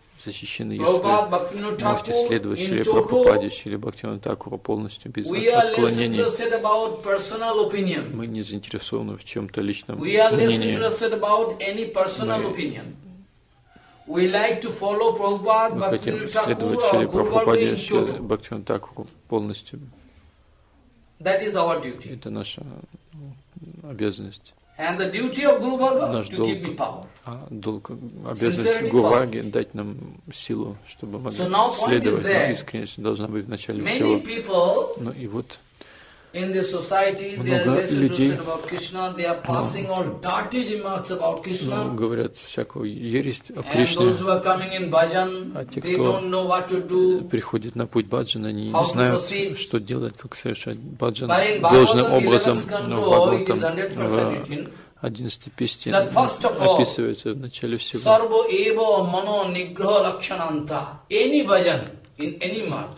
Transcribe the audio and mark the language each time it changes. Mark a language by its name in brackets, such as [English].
[Russian] защищены, если можете следовать Шри Прабхупаде, Шри Бхактивинода Тхакура полностью, без отклонений. Мы не заинтересованы в чем-то личном мнении. [English] We like to follow Prabhupada, [Russian] мы хотим следовать Шри Прабхупаде, Шри Бхактивинода Тхакура полностью. [English] That is our duty. [Russian] Это наша обязанность. [English] And the duty of Guru Bhargava to give me power. [Russian] Долг, обязанность Guru Bhargava дать нам силу, чтобы мы могли следовать. Но искренность должна быть в начале всего. [English] Many people [Russian] ну, и вот, [English] in the society, they are less [Russian] людей, [English] interested about Krishna. They are passing on dirty remarks about Krishna. [Russian] Ну, говорят всякую ересь о Кришне. [English] And those who are coming in bhajan, they don't know what to do. [Russian] Приходят на путь баджан, они не знают, что делать, как совершать баджан должным образом. Но в Бхагаватам, в 11-й песне описывается в начале всего. [Sanskrit] Sarva eva mano nigraha lakshananta. [English] Any bhajan in any mark.